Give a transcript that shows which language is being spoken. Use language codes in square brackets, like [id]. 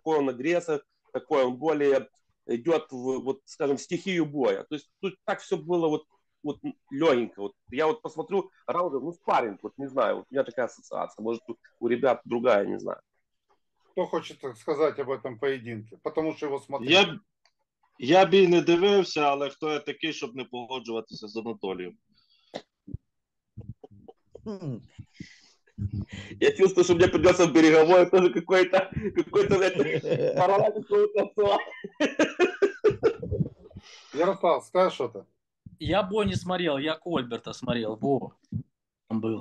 [ru] Какой он агрессор, какой он более идет в, вот, скажем, стихию боя. То есть тут так все было вот, вот легенько. Вот, я вот посмотрю раунд, ну, спарринг, вот не знаю, вот, у меня такая ассоциация. Может, у ребят другая, не знаю. Кто хочет сказать об этом поединке? Потому что его смотрели. [uk] Я бы не дивився, але хто я такий, щоб не погоджуватися з Анатолієм. [ru] Я чувствую, [uk] що мені [ru] придется в береговой, тоже какой-то, какой-то паралель какой-то. Ярослав, скажи что-то. Я бо не смотрел, я Кольберта смотрел, бо. Там был.